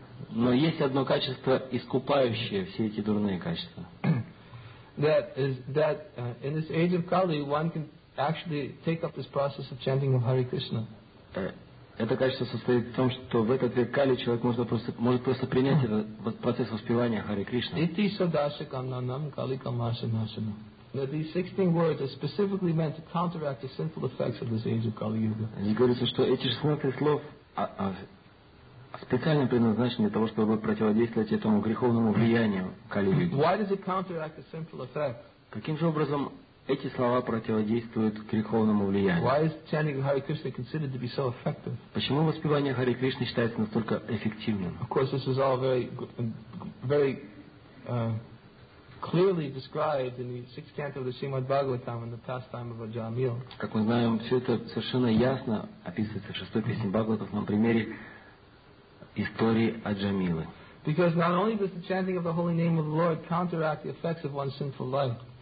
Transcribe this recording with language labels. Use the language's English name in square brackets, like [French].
[Russian] Но есть одно качество, искупающее все эти дурные качества. [English] That is that in this age of Kali, one can actually take up this process of chanting of Hare Krishna. [Russian] Это качество состоит в том, что в этот век Кали человек может просто принять этот процесс воспевания Харе Кришна. [Sanskrit] Iti sadasya kamnanam kali kamasa nasana. [English] That these 16 words are specifically meant to counteract the sinful effects of this age of Kali Yuga. [Russian] И говорится, что эти 16 слов специально предназначены для того, чтобы противодействовать этому греховному влиянию Кали Юги. [English] Why does it counteract the sinful effect? [Russian] Каким же образом эти слова противодействуют греховному влиянию? [English] Why is chanting Hare Krishna considered to be so effective? [Russian] Почему воспевание Харе Кришны считается настолько эффективным? [English] Of course, this is all very, very clearly described in the sixth canto of the Srimad Bhagavatam in the pastime of Ajamila. [Russian] Как мы знаем, все это совершенно ясно описывается в шестой песне Бхагаватов на примере истории Аджамилы. [English] Because not only does the chanting of the holy name of the Lord counteract the effects of one's sinful life.